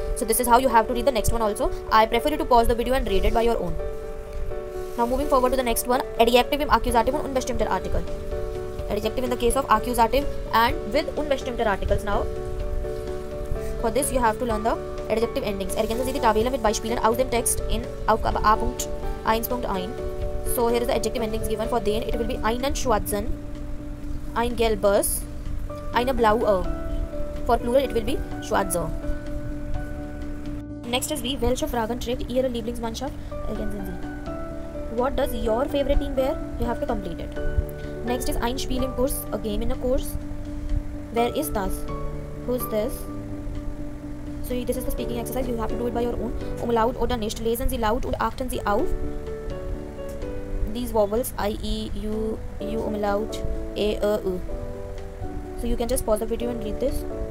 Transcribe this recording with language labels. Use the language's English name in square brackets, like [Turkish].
[English] So this is how you have to read the next one also. I prefer you to pause the video and read it by your own. Now moving forward to the next one. [German] Adjective im accusative und unbestimmter Artikel. [English] Adjective in the case of accusative and with unbestimmter articles now. For this you have to learn the adjective endings. [German] Ergänzen Sie die Tabelle mit Beispielen aus dem Text in Aufgabe A.1.1. [English] So here is the adjective endings given for den. It will be [German] einen schwarzen, ein gelbes, eine blaue. [English] For plural it will be schwarzer. Next is [German] welche Fragen trägt Ihre Lieblingsmannschaft? Ergänzen Sie. [English] What does your favorite team wear? You have to complete it. Next is [German] ein Spiel im Kurs, [English] a game in a course. Where is das? Who's this? So this is the speaking exercise. You have to do it by your own. [German] Umlaut oder nicht. Lesen Sie laut und achten Sie auf. [English] These vowels, i.e. u, u, umlaut, a, e, u. So you can just pause the video and read this.